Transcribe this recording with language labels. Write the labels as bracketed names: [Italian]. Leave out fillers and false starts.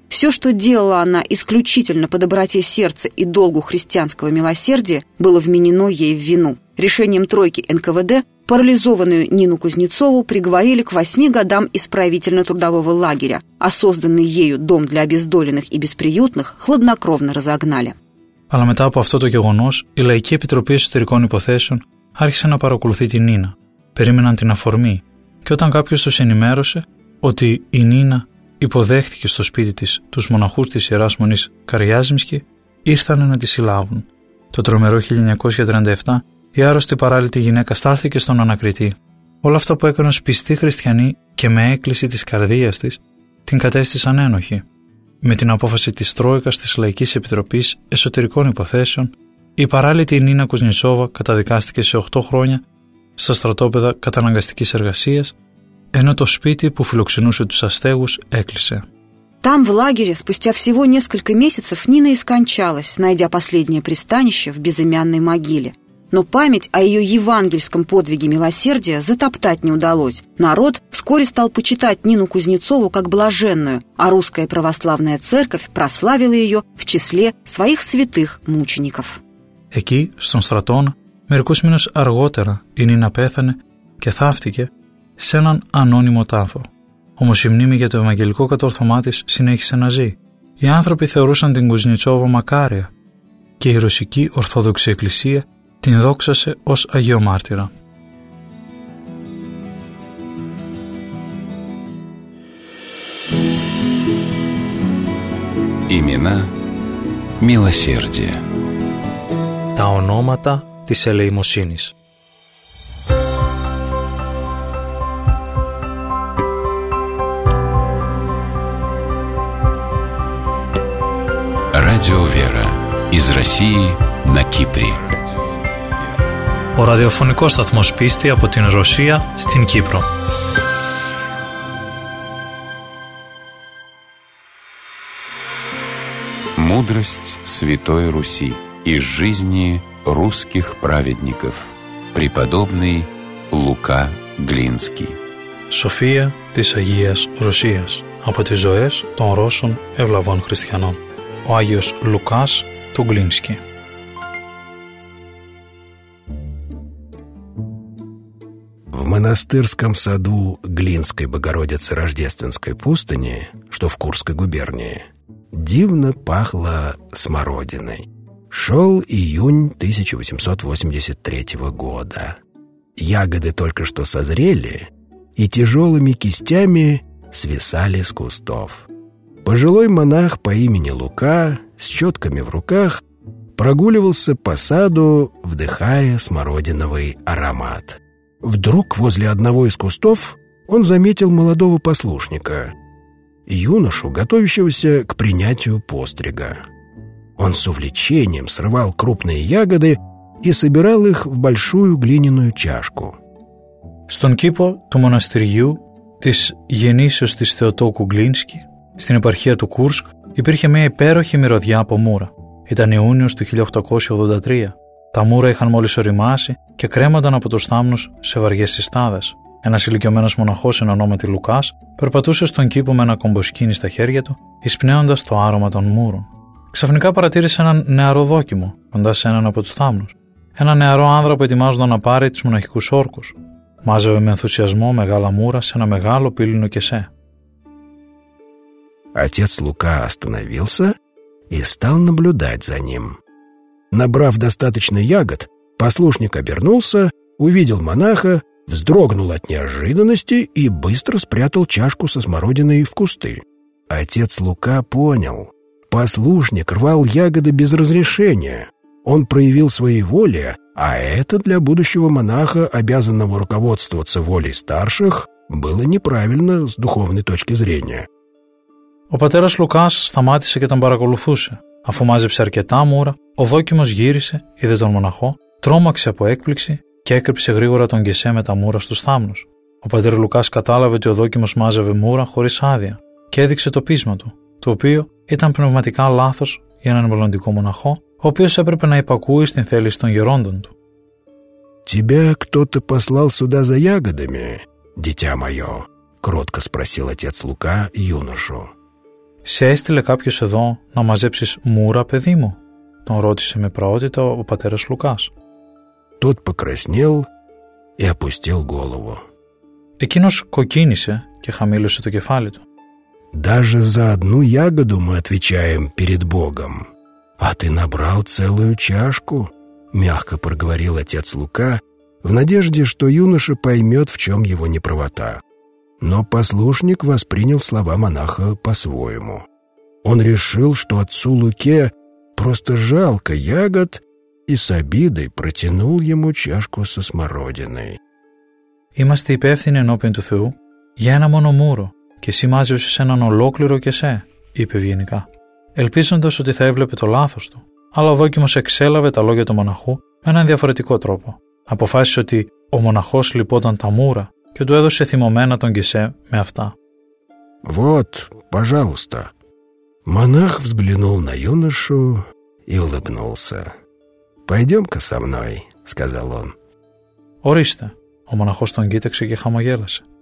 [Russian] Все, что делала она исключительно по доброте сердца и долгу христианского милосердия, было вменено ей в вину. Решением тройки НКВД Парализованную Нину Кузнецову приговорили к 8 годам исправительно-трудового лагеря, а созданный ею дом для обездоленных и бесприютных хладнокровно разогнали. [Greek] Αλλά μετά από αυτό το γεγονός, η Λαϊκή Επιτροπή Εσωτερικών Υποθέσεων άρχισε να παρακολουθεί την Νίνα. Περίμεναν την αφορμή. Και όταν κάποιος τους ενημέρωσε ότι η Νίνα υποδέχθηκε στο σπίτι της τους μοναχούς της Ιεράς Μονής Καριάζιμσκι, ήρθανε να τη συλλάβουν. Το τρομερό 1937, η άρρωστη παράλυτη γυναίκα στάλθηκε στον ανακριτή. Όλα αυτά που έκανε ως πιστή χριστιανή και με έκκληση της καρδίας της, την κατέστησαν ένοχη. Με την απόφαση της Τρόικας της Λαϊκής Επιτροπής Εσωτερικών Υποθέσεων, η παράλυτη Νίνα Κουζνητσόβα καταδικάστηκε σε 8 χρόνια στα στρατόπεδα καταναγκαστικής εργασίας, ενώ το σπίτι που φιλοξενούσε τους αστέγους έκλεισε. [Russian] Там, в лагере, спустя всего несколько месяцев, Нина и скончалась, найдя последнее пристанище в безымянной могиле. Но память о ее евангельском подвиге милосердия затоптать не удалось. Народ вскоре стал почитать Нину Кузнецову как блаженную, а Русская Православная Церковь прославила ее в числе своих святых мучеников. [Greek] Εκεί, στον στρατόνα, μερικούς μήνους αργότερα, η Νίνα πέθανε και θάφτηκε σε έναν ανώνυμο τάφο. Όμως η μνήμη για το ευαγγελικό κατόρθωμά της συνέχισε να ζει. Οι άνθρωποι θεωρούσαν την Κουζνητσόβα μακάρια και η Ρωσική Ορθόδοξη Εκκλησία την δόξασε ως Αγιομάρτυρα. [Russian] Имена милосердия. [Greek] Τα ονόματα της ελεημοσύνης. [Russian] Радио Вера из России на Кипре. [Greek] Ο ραδιοφωνικός σταθμός πίστη από την Ρωσία στην Κύπρο. [Russian] Мудрость Святой Руси из жизни русских праведников. Преподобный Лука Глинский. [Greek] София της Αγίας Ρωσίας από τις ζωές των Ρώσων ευλαβών χριστιανών. Ο Άγιος Λουκάς του Γκλίνσκι. [Russian] В монастырском саду Глинской Богородицы Рождественской пустыни, что в Курской губернии, дивно пахло смородиной. Шел июнь 1883 года. Ягоды только что созрели и тяжелыми кистями свисали с кустов. Пожилой монах по имени Лука с четками в руках прогуливался по саду, вдыхая смородиновый аромат. Вдруг возле одного из кустов он заметил молодого послушника, юношу, готовящегося к принятию пострига. Он с увлечением срывал крупные ягоды и собирал их в большую глиняную чашку. [Greek] Στον κήπο του μοναστηριού της γεννήσεως της Θεοτόκου Γκλίνσκι, στην επαρχία του Κούρσκ, υπήρχε μια υπέροχη μυρωδιά από μούρα. Ήταν Ιούνιος του 1883. Τα μούρα είχαν μόλις οριμάσει και κρέμονταν από τους θάμνους σε βαριές συστάδες. Ένας ηλικιωμένος μοναχός, εν ονόματι Λουκάς, περπατούσε στον κήπο με ένα κομποσκίνι στα χέρια του, εισπνέοντας το άρωμα των μούρων. Ξαφνικά παρατήρησε έναν νεαρό δόκιμο κοντά σε έναν από τους θάμνους. Ένα νεαρό άνδρα που ετοιμάζονταν να πάρει τους μοναχικούς όρκους. Μάζευε με ενθουσιασμό μεγάλα μούρα σε ένα μεγάλο πύλινο κεσέ. [Russian] Отец Лука остановился и стал наблюдать за ним. Набрав достаточно ягод, послушник обернулся, увидел монаха, вздрогнул от неожиданности и быстро спрятал чашку со смородиной в кусты. Отец Лука понял. Послушник рвал ягоды без разрешения. Он проявил свои воли, а это для будущего монаха, обязанного руководствоваться волей старших, было неправильно с духовной точки зрения. [Greek] Ο πατέρας Λουκάς σταμάτησε και τον παρακολουθούσε. Αφού μάζεψε αρκετά μούρα, ο δόκιμος γύρισε, είδε τον μοναχό, τρόμαξε από έκπληξη και έκρυψε γρήγορα τον κεσέ με τα μούρα στους θάμνους. Ο πατέρας Λουκάς κατάλαβε ότι ο δόκιμος μάζευε μούρα χωρίς άδεια και έδειξε το πείσμα του, το οποίο ήταν πνευματικά λάθος για έναν μελλοντικό μοναχό, ο οποίος έπρεπε να υπακούει στην θέληση των γερόντων του. [Russian] «Тебя кто-то послал сюда за ягодами, дитя моё?» кротко спросил отец Лука юношу. [Greek] «Σε έστειλε κάποιος εδώ να μαζέψεις μούρα, παιδί μου?» τον ρώτησε με προότητα ο πατέρας Λουκάς. [Russian] Тот покраснел и опустил голову. [Greek] Экинош кокинисе ке хамилюсе то кефали ту. [Russian] Даже за одну ягоду мы отвечаем перед Богом. А ты набрал целую чашку, мягко проговорил отец Лука, в надежде, что юноша поймет, в чем его неправота. Но послушник воспринял слова монаха по-своему. Он решил, что отцу Луке просто жалко ягод, и с обидой протянул ему чашку со смородиной. [Greek] Είμαστε υπεύθυνοι ενώπιον του Θεού για ένα μόνο μούρο και εσύ μάζεσαι έναν ολόκληρο και σε, είπε ευγενικά, ελπίζοντας ότι θα έβλεπε το λάθος του. Αλλά ο δόκιμος εξέλαβε τα λόγια του μοναχού με έναν διαφορετικό τρόπο. Αποφάσισε ότι ο μοναχός λυπόταν τα μούρα και του έδωσε θυμωμένα τον κεσέ με αυτά. [Russian] Вот, пожалуйста. Монах взглянул на юношу и улыбнулся. Пойдем-ка со мной, сказал он. [Greek] Ορίστε, ο μοναχός τον κοίταξε και χαμογέλασε.